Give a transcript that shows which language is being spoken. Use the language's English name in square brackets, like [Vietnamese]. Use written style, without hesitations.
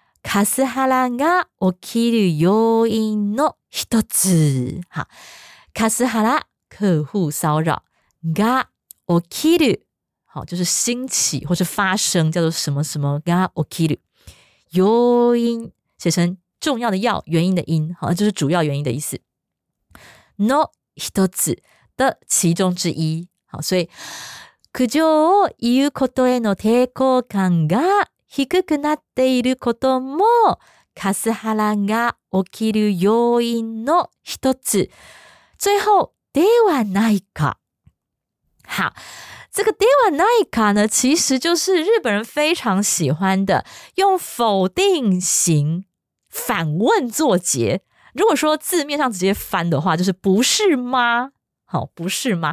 [Japanese] カスハラが起きる要因の一つ。 [Chinese] カスハラ客户骚扰 [Japanese] が起きる， [Chinese] 好，就是兴起或是发生，叫做什么什么 [Japanese] が起きる。要因 [Chinese] 写成重要的要原因的因，好，就是主要原因的意思。 [Japanese] の一つ [Chinese] 的其中之一，好，所以。 [Japanese] 苦情を言うことへの抵抗感が低くなっていることもカスハラが起きる要因の一つ。 [Chinese] 最后 [Japanese] ではないか。 [Chinese] 好，这个ではないか呢，其实就是日本人非常喜欢的用否定型反问作结。如果说字面上直接翻的话，就是不是吗？好，不是吗？